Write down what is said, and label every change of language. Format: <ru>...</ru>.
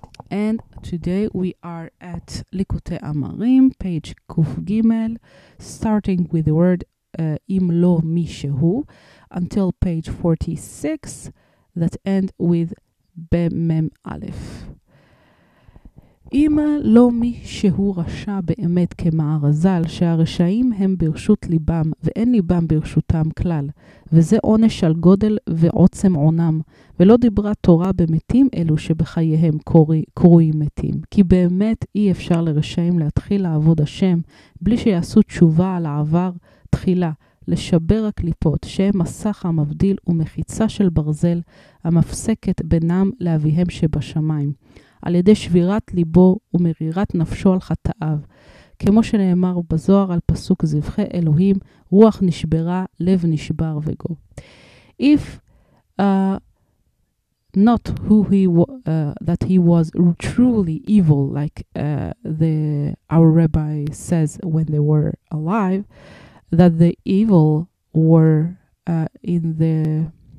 <en>And today we are at Likute Amarim, page Kuf Gimel, starting with the word Imlo Mishehu, until page 46, that end with Bemem Aleph.</en> <he>אם לא מי שהוא רשע באמת כמערזל, שהרשעים הם ברשות ליבם ואין ליבם ברשותם כלל, וזה עונש על גודל ועוצם עונם, ולא דיברה תורה במתים אלו שבחייהם קרויים מתים, כי באמת אי אפשר לרשעים להתחיל לעבוד השם בלי שיעשו תשובה על העבר תחילה, לשבר הקליפות שהם מסך המבדיל ומחיצה של ברזל המפסקת בינם לאביהם שבשמיים, על ידי שבירת ליבו ומרירת נפשו על חטאיו. כמו שנאמר בזוהר על פסוק זבחי אלוהים, רוח נשברה, לב נשבר וגו.</he> <en>If not who he that he was truly evil, like our rabbi says when they were alive, that the evil were in</en>